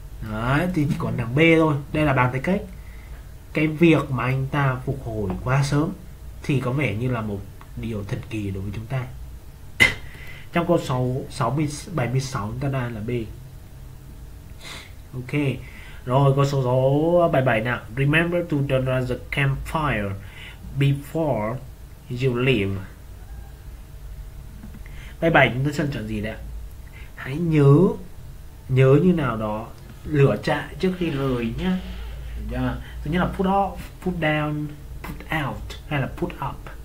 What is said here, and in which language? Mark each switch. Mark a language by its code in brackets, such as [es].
[vi] Đấy, thì chỉ còn đoạn B thôi. Đây là bàn tay cách. Cái việc mà anh ta phục hồi quá sớm thì có vẻ như là một điều thần kỳ đối với chúng ta. Trong câu số 76 chúng ta đang là B. Ok. Rồi câu số 77 nào. [en] Remember to turn on the campfire before you leave. [vi] 77 chúng ta sẽ chọn gì đây? Hãy nhớ như nào đó lửa trại trước khi rời nhá. Thứ nhất là [en] put off, put down, put out [vi] hay là [en] put up.